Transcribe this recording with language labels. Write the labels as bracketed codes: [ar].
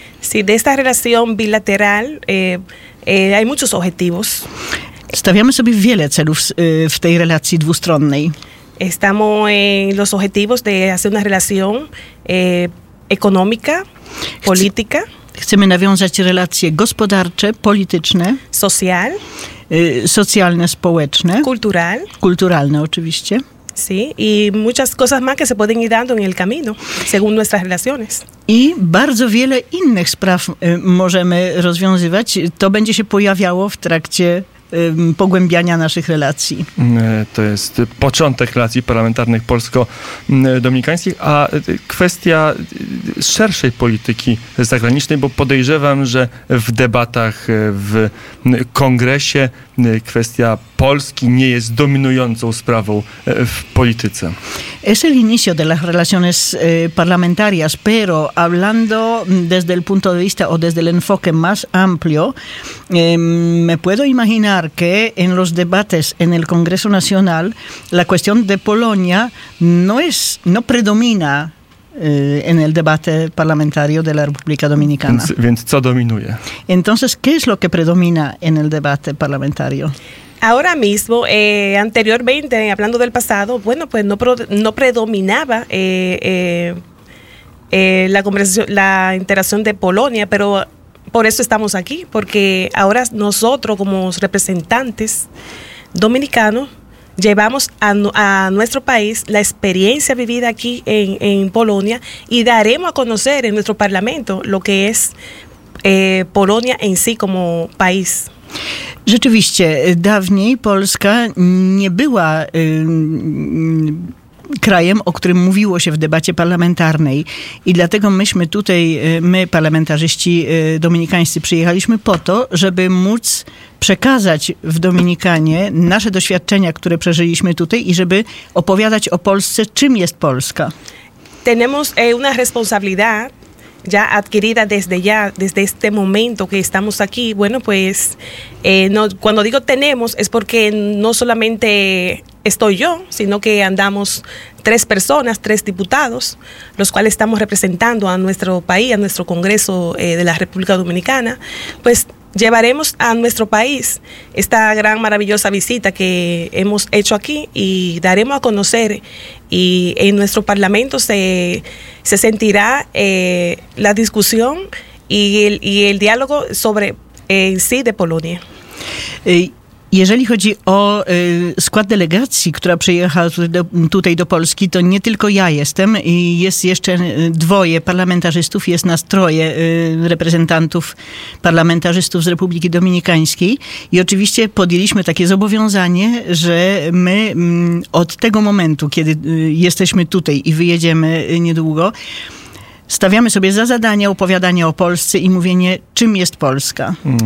[es] Sí, de esta relación bilateral hay muchos objetivos. [pl] Stawiamy sobie wiele celów w tej relacji dwustronnej. [es] Estamos en los objetivos de hacer una relación económica, política. [pl] Chcemy nawiązać relacje gospodarcze, polityczne. [es] Social. [pl] Socjalne, społeczne. [es] Kultural. [pl] Kulturalne oczywiście. [es] Sí, y muchas cosas más que se pueden ir dando en el camino, según nuestras relaciones. [pl] I bardzo wiele innych spraw możemy rozwiązywać. To będzie się pojawiało w trakcie pogłębiania naszych relacji. To jest początek relacji parlamentarnych polsko-dominikańskich, a kwestia szerszej polityki zagranicznej, bo podejrzewam, że w debatach w kongresie kwestia Polski nie jest dominującą sprawą w polityce. [es] Es el inicio de las relaciones parlamentarias, pero hablando desde el punto de vista o desde el enfoque más amplio, me puedo imaginar que en los debates en el Congreso Nacional la cuestión de Polonia no predomina en el debate parlamentario de la República Dominicana. [pl] Więc co dominuje? [es] Entonces, ¿qué es lo que predomina en el debate parlamentario? Ahora mismo, anteriormente, hablando del pasado, bueno, pues no predominaba la conversación, la interacción de Polonia, pero por eso estamos aquí, porque ahora nosotros como representantes dominicanos llevamos a nuestro país la experiencia vivida aquí en Polonia y daremos a conocer en nuestro parlamento lo que es Polonia en sí como país. [pl] Rzeczywiście, dawniej Polska nie była krajem, o którym mówiło się w debacie parlamentarnej. I dlatego myśmy tutaj, my parlamentarzyści dominikańscy, przyjechaliśmy po to, żeby móc przekazać w Dominikanie nasze doświadczenia, które przeżyliśmy tutaj i żeby opowiadać o Polsce, czym jest Polska. [es] Tenemos una responsabilidad ya adquirida desde ya, desde este momento que estamos aquí. Bueno, pues, no, cuando digo tenemos, es porque no solamente estoy yo, sino que andamos tres personas, tres diputados, los cuales estamos representando a nuestro país, a nuestro Congreso de la República Dominicana. Pues llevaremos a nuestro país esta gran maravillosa visita que hemos hecho aquí y daremos a conocer y en nuestro parlamento se sentirá la discusión y el diálogo sobre en sí de Polonia. [pl] Jeżeli chodzi o skład delegacji, która przyjechała tutaj do Polski, to nie tylko ja jestem, jest jeszcze dwoje parlamentarzystów, jest nas troje reprezentantów parlamentarzystów z Republiki Dominikańskiej i oczywiście podjęliśmy takie zobowiązanie, że my od tego momentu, kiedy jesteśmy tutaj i wyjedziemy niedługo, stawiamy sobie za zadanie opowiadanie o Polsce i mówienie, czym jest Polska.